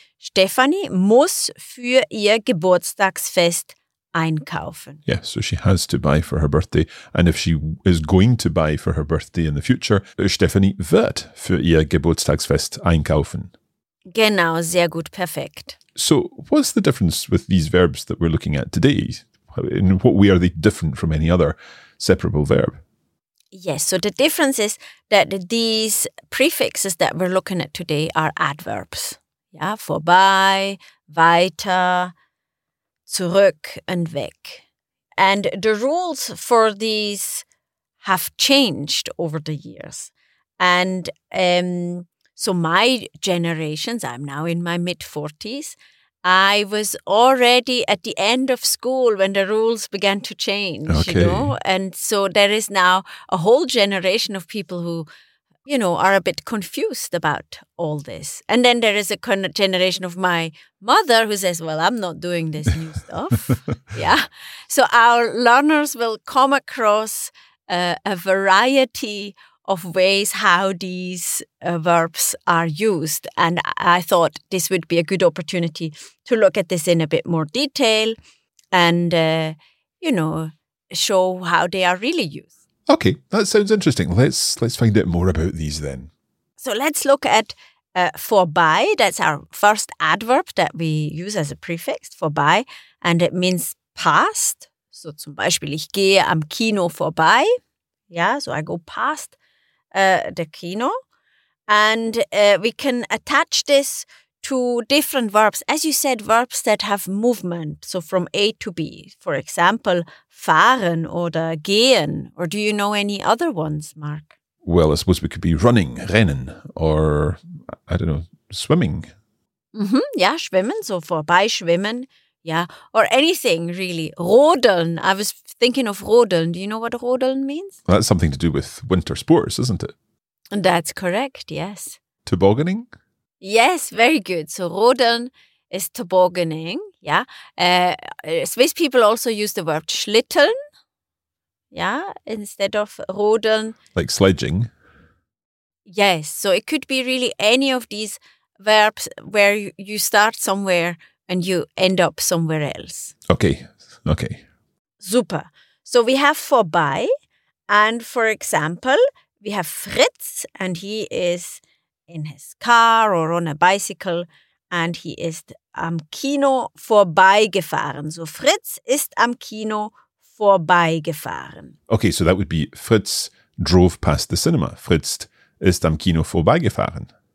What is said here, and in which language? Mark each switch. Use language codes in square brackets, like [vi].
[de] Stephanie muss für ihr Geburtstagsfest einkaufen. [en] Yeah, so she has to buy for her birthday. And if she is going to buy for her birthday in the future, [de] Stephanie wird für ihr Geburtstagsfest einkaufen. Genau, sehr gut, perfekt. [en] So what's the difference with these verbs that we're looking at today? In what way are they different from any other separable verb? Yes, so the difference is that these prefixes that we're looking at today are adverbs. [de] Yeah, vorbei, weiter, zurück und weg. [en] And the rules for these have changed over the years. And so my generations, I'm now in my mid-40s, I was already at the end of school when the rules began to change, okay. You know? And so there is now a whole generation of people who, you know, are a bit confused about all this. And then there is a generation of my mother who says, well, I'm not doing this new stuff. Yeah. So our learners will come across a variety of ways how these verbs are used. And I thought this would be a good opportunity to look at this in a bit more detail and, you know, show how they are really used. Okay, that sounds interesting. Let's find out more about these then. So let's look at vorbei. That's our first adverb that we use as a prefix, vorbei. And it means past. [de] So zum Beispiel, ich gehe am Kino vorbei. [en] Yeah, so I go past the Kino, and we can attach this to different verbs. As you said, verbs that have movement, so from A to B. For example, [de] fahren oder gehen. [en] Or do you know any other ones, Mark? Well, I suppose we could be running, rennen, or, I don't know, swimming. Mm-hmm. [de] Yeah, schwimmen, so vorbei schwimmen. [en] Yeah, or anything really. Rodeln. I was thinking of rodeln. Do you know what rodeln means? Well, that's something to do with winter sports, isn't it? That's correct, yes. Tobogganing? Yes, very good. So rodeln is tobogganing, yeah. Swiss people also use the word schlitteln, yeah, instead of rodeln. Like sledging? Yes, so it could be really any of these verbs where you start somewhere and you end up somewhere else. Okay. Super. So we have vorbei. And for example, we have Fritz. And he is in his car or on a bicycle. And he is [de] am Kino vorbeigefahren. So Fritz ist am Kino vorbeigefahren. [en] Okay, so that would be Fritz drove past the cinema. [de] Fritz ist am Kino vorbeigefahren.